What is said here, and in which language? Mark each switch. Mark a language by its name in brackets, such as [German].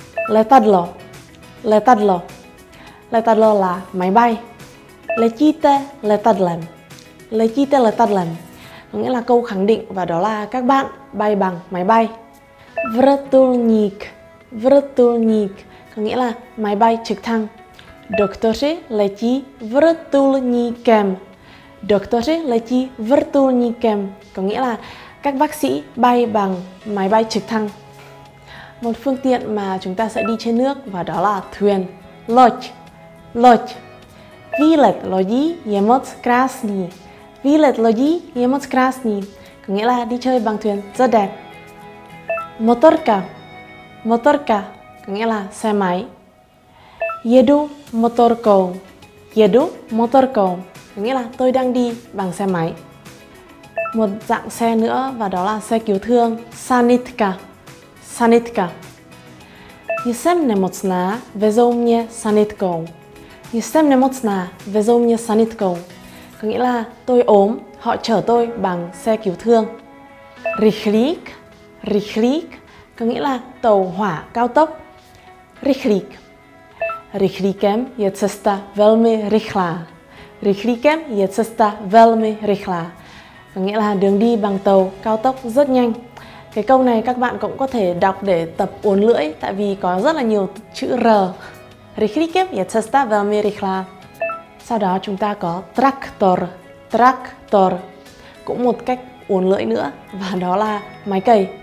[Vietnamese] Letadlo. Letadlo. Letadlo là máy bay. [Czech] Letíte letadlem. Letíte letadlem. [Vietnamese] Có nghĩa là câu khẳng định và đó là các bạn bay bằng máy bay. Vrtulník. Vrtulník. Có nghĩa là máy bay trực thăng. [Czech] Doktoři letí vrtulníkem. Doktoři letí vrtulníkem. [Vietnamese] Có nghĩa là các bác sĩ bay bằng máy bay trực thăng. Một phương tiện mà chúng ta sẽ đi trên nước và đó là thuyền. [Czech] Loď. Loď. Výlet lodí je moc krásný. Výlet lodí je moc krásný. [Vietnamese] Có nghĩa là đi chơi bằng thuyền rất đẹp. Motorka. Motorka. Có nghĩa là xe máy. [Czech] Jedu motorkou. Jedu motorkou. [Vietnamese] Có nghĩa là tôi đang đi bằng xe máy. Một dạng xe nữa và đó là xe cứu thương. [Czech] Sanitka. Sanitka. Jsem nemocná, vezou mě sanitkou. Jsem nemocná, vezou mě sanitkou. [Vietnamese] Có nghĩa là tôi ốm, họ chở tôi bằng xe cứu thương. Rychlík. Rychlík có nghĩa là tàu hỏa cao tốc. [Czech] Rychlík. Rychlíkem je cesta velmi rychlá. Rychlíkem je cesta velmi rychlá. [Vietnamese] Có nghĩa là đường đi bằng tàu cao tốc rất nhanh. Cái câu này các bạn cũng có thể đọc để tập uốn lưỡi, tại vì có rất là nhiều chữ R. Rikrikep yatsasta vamirikla. Sau đó chúng ta có traktor. Traktor cũng một cách uốn lưỡi nữa, và đó là máy cày.